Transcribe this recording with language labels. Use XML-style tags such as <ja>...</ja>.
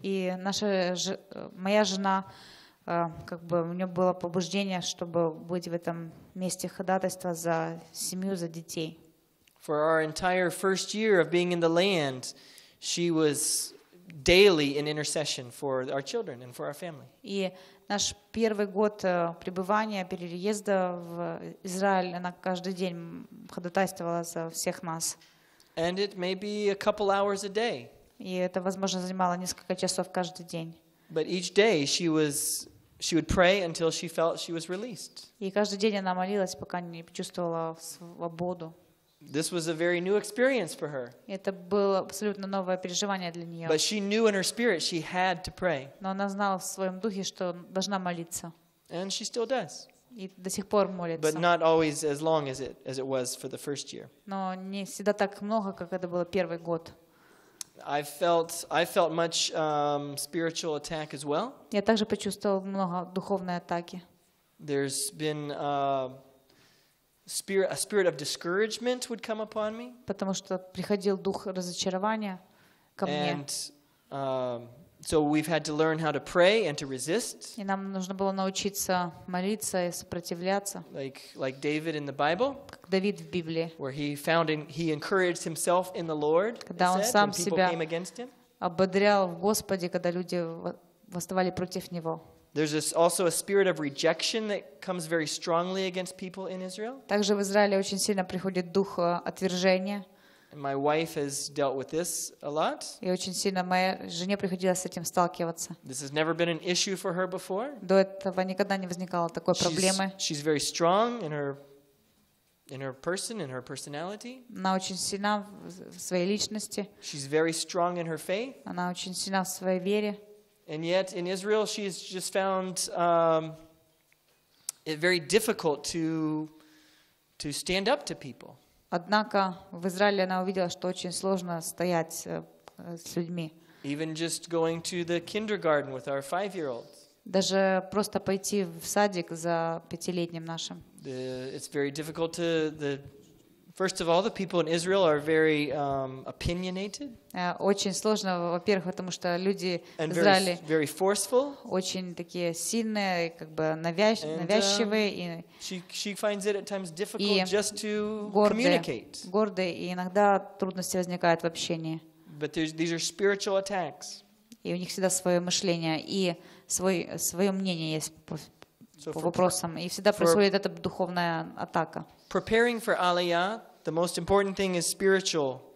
<ru>И наша моя жена как бы у нее было побуждение, чтобы быть в этом месте ходатайства за семью, за детей.</ru> <en>For our entire first year of being in the land, she was daily in intercession for our children and for our family.</en> <ru>И наш первый год пребывания, переезда в Израиль, она каждый день ходатайствовала за всех нас.</ru> <en>And it may be a couple hours a day.</en> <ru>И это, возможно, занимало несколько часов каждый день.</ru> <en>But each day she would pray until she felt she was released.</en> <ru>И каждый день она молилась, пока не почувствовала свободу.</ru> <en>This was a very new experience for her.</en> <ru>Это было абсолютно новое переживание для нее.</ru> <en>But she knew in her spirit she had to pray.</en> <ru>Но она знала в своем духе, что должна молиться.</ru> <en>And she still does.</en> <ru>И до сих пор молится.</ru> <en>But not always as long as it was for the first year.</en> <ru>Но не всегда так много, как это было первый год.</ru> <en>I felt much spiritual attack as well.</en> <ru>Я также почувствовал много духовной атаки.</ru> <en>There's been a spirit of discouragement would come upon me.</en> <ru>Потому что приходил дух разочарования ко мне.</ru> <en>And so we've had to learn how to pray and to resist.</en> <ru>И нам нужно было научиться молиться и сопротивляться.</ru> <en>Like David in the Bible.</en> <ru>Как Давид в Библии.</ru> <en>Where he encouraged himself in the Lord.</en> <ru>Когда он сам себя ободрял в Господе, когда люди восставали против него.</ru> <en>There's also a spirit of rejection that comes very strongly against people in Israel.</en> <ru>Также в Израиле очень сильно приходит дух отвержения.</ru> <en>And my wife has dealt with this a lot.</en> <ru>И очень сильно моя жене приходилось с этим сталкиваться.</ru> <en>This has never been an issue for her before.</en> <ru>До этого никогда не возникало такой проблемы.</ru> <en>She's very strong in her person, in her personality.</en> <ru>Она очень сильна в своей личности.</ru> <en>She's very strong in her faith.</en> <ru>Она очень сильна в своей вере.</ru> <en>And yet in Israel she's just found it very difficult to stand up to people.</en> <ru>Однако в Израиле она увидела, что очень сложно стоять с людьми.</ru> <en>Even just going to the kindergarten with our 5-year-olds.</en> <ru>Даже просто пойти в садик за пятилетним нашим.</ru> <en>It's very difficult to the First of all, the people in Israel are very opinionated.</en> <ru>Очень сложно, во-первых, потому что люди в Израиле</ru> <en>very forceful.</en> <ru>Очень такие сильные, как бы навязчивые.</ru> <en>She finds it at times difficult just to communicate.</en> <ru>Гордые, и иногда трудности возникают в общении.</ru> <en>But these are spiritual attacks.</en> <ru>И у них всегда свое мышление и свое мнение есть по вопросам, и всегда происходит эта духовная атака.</ru> <en>Preparing for Aliyah, the most important thing is spiritual</en>